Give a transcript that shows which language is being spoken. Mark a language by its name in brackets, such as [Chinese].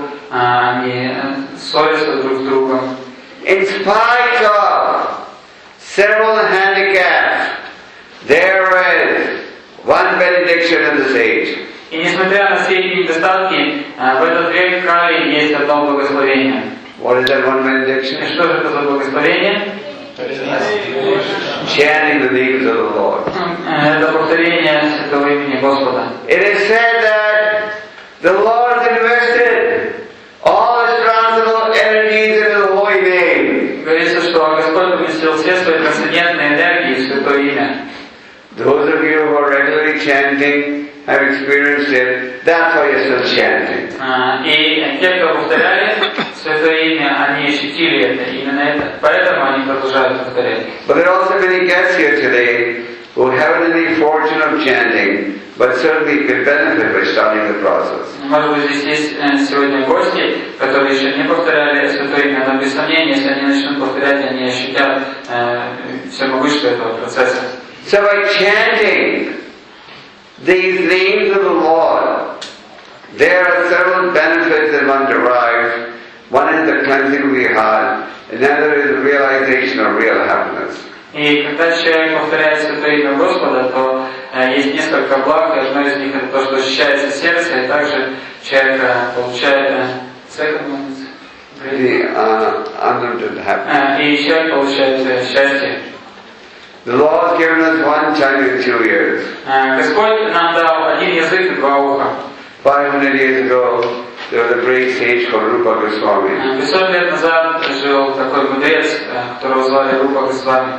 [Russian] Они ссорятся друг с другом. [English] In spite of several handicaps, there is one benediction in this age. [Russian] И несмотря на все эти недостатки, в этот век Кали есть одно благословение. [English] What is that one benediction? [Russian] И что же это за благословение? [English] Chanting the names of the Lord. [Russian] Это повторение святого имени Господа. [English] It is said that the Lord invested all his transcendental energies in his holy name. [Russian] Говорится, что Господь поместил все свои трансцендентные энергии в святое имя. [English] Those of you who are regularly chanting have experienced it. That's why you're still chanting. [Russian] И те, кто повторяли святое имя, они ощутили это, именно это, поэтому они продолжают повторять. [English] But there are also many guests here today who haven't any fortune of chanting, but certainly could benefit by starting the process. [Russian] Может быть, здесь есть сегодня гости, которые еще не повторяли святое имя, но без сомнения, если они начнут повторять, они ощутят все могущество этого процесса. [English] So by chanting these names of the Lord, there are several benefits that one derives. One is the cleansing of the heart, another is the realization of real happiness. [Russian] И когда человек повторяет святое имя Господа, то есть несколько благ, и одно из них это то, что ощущается сердце, и также человек получает [English] happiness. [Russian] И человек получает счастье. [English] The Lord has given us one tongue in 2 years. [Russian] Господь нам дал один язык и два уха. [English] 500 years ago, there was a great sage called Rupa Goswami. [Russian] 500 лет назад жил такой мудрец, которого звали Рупа Госвами.